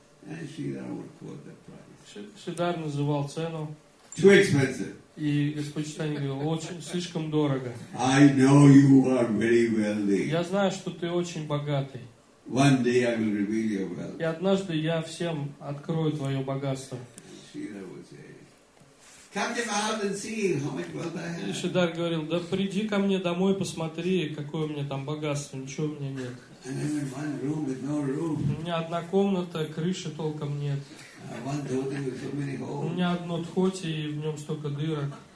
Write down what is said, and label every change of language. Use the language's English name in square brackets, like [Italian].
[English] And Шридхар would quote the price. [Russian] Шридхар называл цену. [English] Too expensive. [Russian] И Господь Чайтанья говорил, очень слишком дорого. [English] I know you are very wealthy. [Russian] Я знаю, что ты очень богатый. [English] One day I will reveal your wealth. [Russian] И однажды я всем открою твое богатство. [English] Шридхар would say, come to my house and see how much wealth I have. [Russian] И Шридхар говорил, да приди ко мне домой, посмотри, какое у меня там богатство, ничего у меня нет. [English] And I'm in one room with no roof. [Russian] У меня одна комната, крыши толком нет. У меня одно тхоти и в нем столько дырок.